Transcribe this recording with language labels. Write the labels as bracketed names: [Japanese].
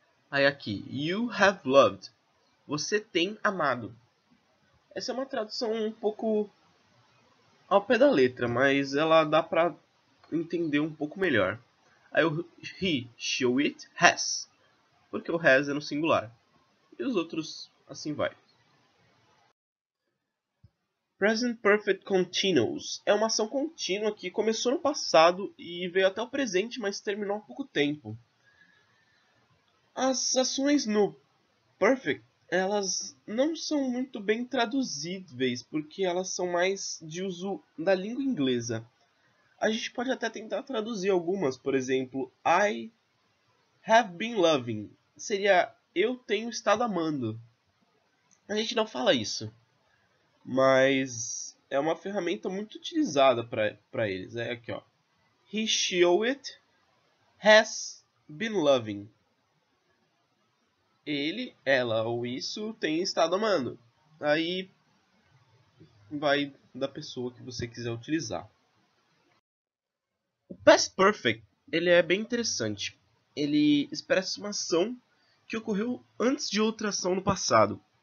[Portuguese] Aí aqui, [English] you have loved. [Portuguese] Você tem amado. Essa é uma tradução um pouco ao pé da letra, mas ela dá para entender um pouco melhor. Aí o [English] he, she, it, has. [Portuguese] Porque o has é no singular. E os outros, assim vai. [English] Present Perfect Continuous. [Portuguese] É uma ação contínua que começou no passado e veio até o presente, mas terminou há pouco tempo. As ações no perfect, elas não são muito bem traduzíveis, porque elas são mais de uso da língua inglesa. A gente pode até tentar traduzir algumas, por exemplo, [English] I have been loving. [Portuguese] Seria eu tenho estado amando. A gente não fala isso, mas é uma ferramenta muito utilizada para eles. É aqui, ó. [English] He, she, or it has been loving. [Portuguese] Ele, ela ou isso tem estado amando. Aí vai da pessoa que você quiser utilizar. O past perfect, ele é bem interessante. Ele expressa uma ação que ocorreu antes de outra ação no passado.